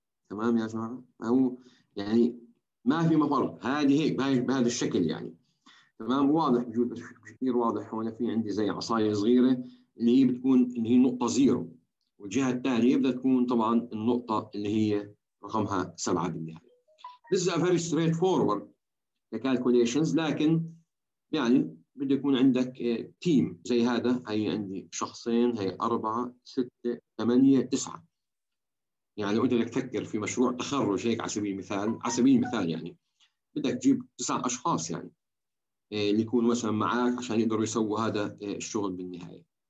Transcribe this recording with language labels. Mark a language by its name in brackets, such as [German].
[Arabic] تمام يا جماعة، هو يعني ما في مفر، هذه هيك بهذا الشكل يعني. تمام، واضح بجوز كثير واضح. هون في عندي زي عصايه صغيره اللي هي بتكون اللي هي نقطه زيرو، والجهه الثانيه بدها تكون طبعا النقطه اللي هي رقمها 7 بالنهايه. [English] This is a very straightforward calculations، لكن يعني [Arabic] بده يكون عندك تيم زي هذا، هي عندي شخصين، هي 4 6 8 9. يعني لو انت بدك تفكر في مشروع تخرج هيك على سبيل المثال، على سبيل المثال يعني بدك تجيب 9 اشخاص يعني اللي يكونوا مثلا معك عشان يقدروا يسووا هذا الشغل بالنهايه.